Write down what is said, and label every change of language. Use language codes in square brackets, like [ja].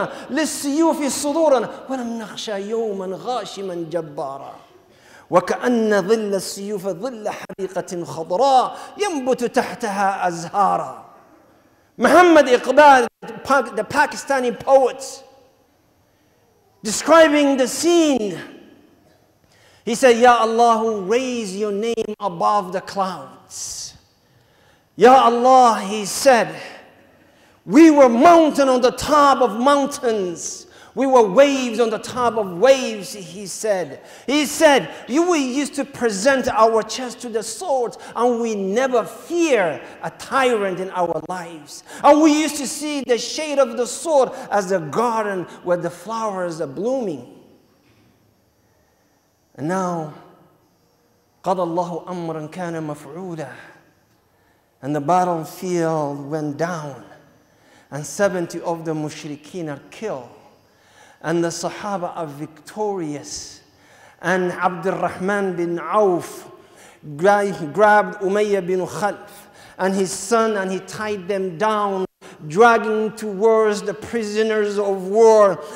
[ar] للسيوف صدورنا ولم نخشى يوما غاشما جبارا وكأن ظل السيوف ظل حديقة خضراء ينبت تحتها أزهارا. [en] Muhammad Iqbal, the Pakistani poet, describing the scene, he said, Ya Allah, raise your name above the clouds. Ya Allah, he said, we were mountain on the top of mountains. We were waves on the top of waves, he said. He said, we used to present our chest to the sword, and we never fear a tyrant in our lives. And we used to see the shade of the sword as a garden where the flowers are blooming. And now, [ar] قَضَى اللَّهُ أَمْرًا كَانَ مَفْعُولًا. [en] And the battlefield went down, and 70 of the mushrikeen are killed. And the Sahaba are victorious. And Abdurrahman bin Auf grabbed Umayyah bin Khalf and his son, and he tied them down, dragging towards the prisoners of war.